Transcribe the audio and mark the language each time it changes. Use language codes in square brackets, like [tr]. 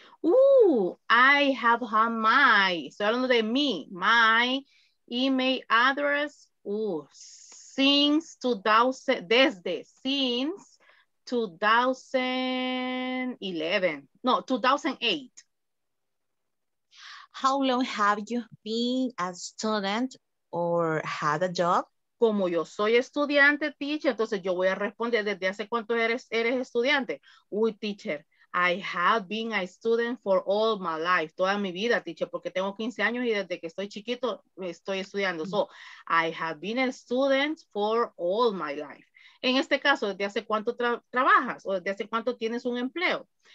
[en] Ooh, I have had my, [es] estoy hablando de mí, [en] my email address, ooh, since 2011, no, 2008. How long have you been a student or had a job? [es] Como yo soy estudiante, teacher, entonces yo voy a responder, ¿desde hace cuánto eres estudiante? Uy, teacher, [en] I have been a student for all my life, [es] toda mi vida, teacher, porque tengo 15 años y desde que estoy chiquito estoy estudiando. [en] So, I have been a student for all my life. [es] En este caso, ¿desde hace cuánto trabajas o desde hace cuánto tienes un empleo?